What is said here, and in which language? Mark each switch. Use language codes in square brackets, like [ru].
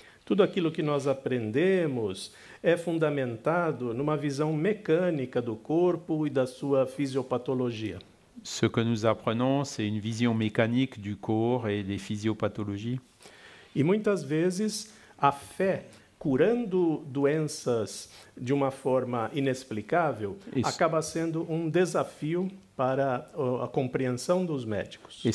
[pt] Tudo aquilo que nós aprendemos é fundamentado numa visão mecânica do corpo e da sua fisiopatologia. [fr] Ce que nous apprenons, c'est une vision mécanique du corps et des physiopathologies. [pt] E muitas vezes a fé, curando doenças de uma forma inexplicável, acaba sendo um desafio para a compreensão dos médicos.